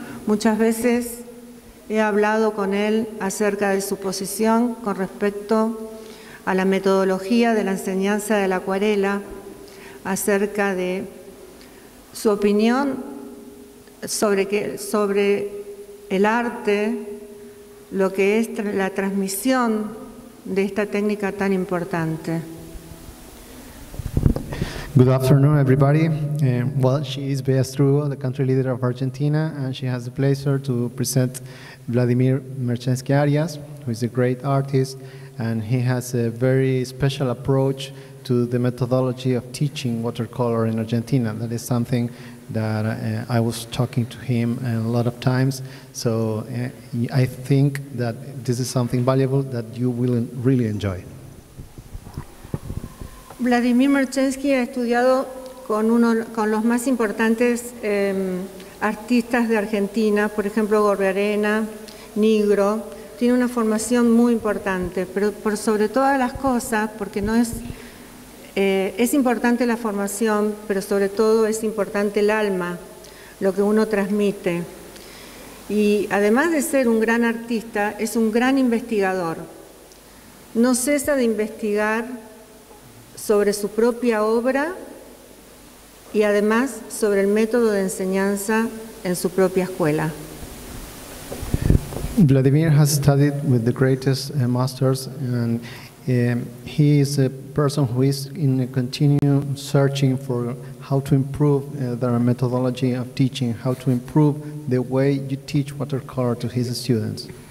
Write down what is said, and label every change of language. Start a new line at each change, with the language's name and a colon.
Spanish: Muchas veces he hablado con él acerca de su posición con respecto a la metodología de la enseñanza de la acuarela, acerca de su opinión sobre el arte, lo que es la transmisión de esta técnica tan importante.
English: Good afternoon, everybody. Well, she is Bea Estrugo, the country leader of Argentina, and she has the pleasure to present Vladimir Merchensky Arias, who is a great artist, and he has a very special approach to the methodology of teaching watercolor in Argentina. That is something that I was talking to him a lot of times, so I think that this is something valuable that you will really enjoy.
Spanish: Vladimir Merchensky ha estudiado con uno con los más importantes artistas de Argentina, por ejemplo, Gorriarena, Nigro. Tiene una formación muy importante, pero por sobre todas las cosas, porque no es... Es importante la formación, pero sobre todo es importante el alma, lo que uno transmite. Y además de ser un gran artista, es un gran investigador. No cesa de investigar sobre su propia obra y además sobre el método de enseñanza en su propia escuela.
English: Vladimir has studied with the greatest masters, and he is a person who is in a continuous searching for how to improve their methodology of teaching, how to improve the way you teach watercolor to his students.